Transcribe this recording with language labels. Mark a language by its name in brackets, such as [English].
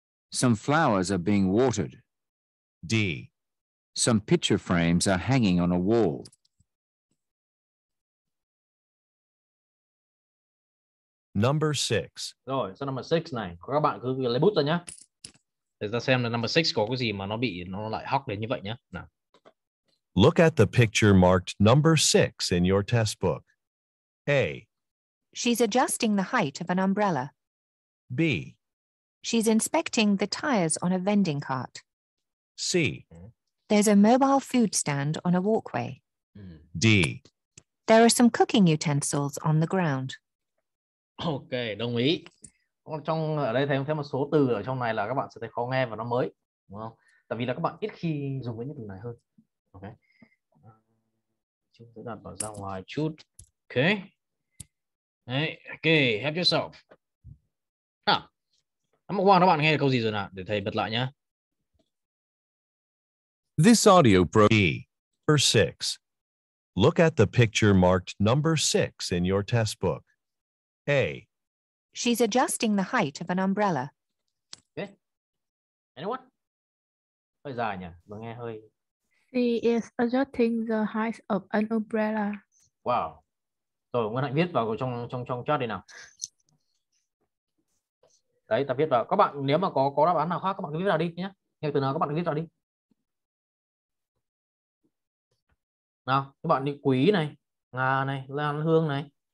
[English] Some flowers are being watered. D. Some picture frames are hanging on a wall. Number 6. [Vietnamese] Rồi, sau number 6 này, các bạn cứ lấy bút ra nhá. Để ta xem là number 6 có cái gì mà nó lại hóc đến như vậy nhá. Nào. [English] Look at the picture marked number 6 in your test book. A. She's adjusting the height of an umbrella. B. She's inspecting the tires on a vending cart. C. There's a mobile food stand on a walkway. D. There are some cooking utensils on the ground. [Vietnamese] Ok, đồng ý. Trong ở đây thấy một số từ ở trong này là các bạn sẽ thấy khó nghe và nó mới, đúng không? Tại vì là các bạn ít khi dùng với những từ này hơn. Ok. Chúng sẽ đặt nó ra ngoài chút. Ok. [English] Đấy, ok, help yourself. Nào. [Vietnamese] Hôm qua các bạn nghe được câu gì rồi nào? Để thầy bật lại nhá. [English] This audio pro E for 6. Look at the picture marked number 6 in your test book. A. She's adjusting the height of an umbrella. Okay. Anyone? [Vietnamese] Hơi dài nhỉ? Vừa nghe hơi. [English] She is adjusting the height of an umbrella. Wow. [Vietnamese] Rồi, Nguyễn Hạnh viết vào trong chat đi nào. Đấy, ta viết vào. Các bạn nếu mà có đáp án nào khác, các bạn cứ viết vào đi nhé. Nghe từ nào các bạn cứ viết vào đi. Nào, các bạn đi Quý này, Nga này, Lan Hương này.